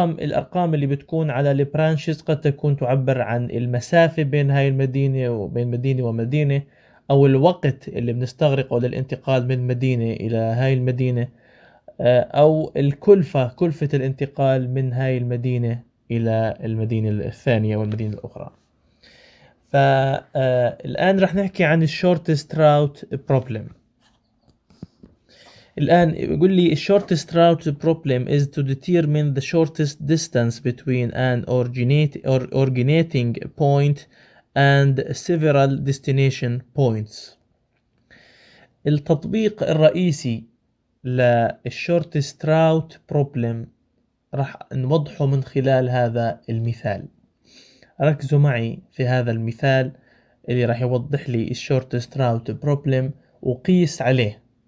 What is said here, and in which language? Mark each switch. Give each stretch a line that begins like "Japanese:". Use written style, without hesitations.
Arabic: الأرقام اللي بتكون على البرانشز قد تكون تعبر عن المسافة بين هاي المدينة وبين مدينة ومدينة، أو الوقت اللي بنستغرقه للانتقال من مدينة إلى هاي المدينة، أو كلفة الانتقال من هاي المدينة إلى المدينة الثانية والمدينة الأخرى. فالآن رح نحكي عن الشورتست راوت بروبلم. الآن يقول لي الشورتست راوت بروبلم
English: is to determine the shortest distance between an originating point and several destination points.
Arabic: التطبيق الرئيسي للشورتست راوت بروبلم رح نوضحه من خلال هذا المثال. ركزوا معي في هذا المثال اللي رح يوضح لي الشورتست راوت بروبلم وقيس عليه.